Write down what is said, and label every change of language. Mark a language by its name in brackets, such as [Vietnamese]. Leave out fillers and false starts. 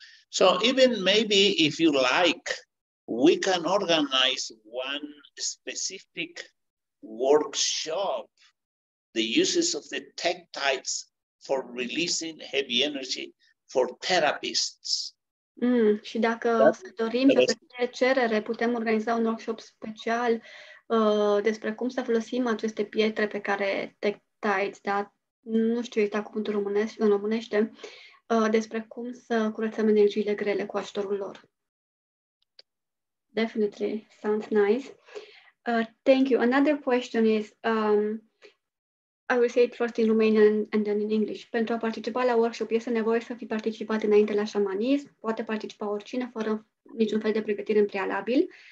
[English] So even maybe if you like, we can organize one specific workshop, the uses of the tektites for releasing heavy energy for therapists. [Romanian] Și dacă să dorim să facem cerere, putem organiza un workshop special despre cum să folosim aceste pietre pe care tektites, da, nu știu exact cuvântul românesc, în românește, despre cum să curățăm energiile grele cu ajutorul lor. [English] Definitely sounds nice. Thank you. Another question is I will say it first in Romanian and then in English. [Romanian] Pentru a participa la workshop, este nevoie să fi participat înainte la șamanism. Poate participa oricine fără niciun fel de pregătire în prealabil.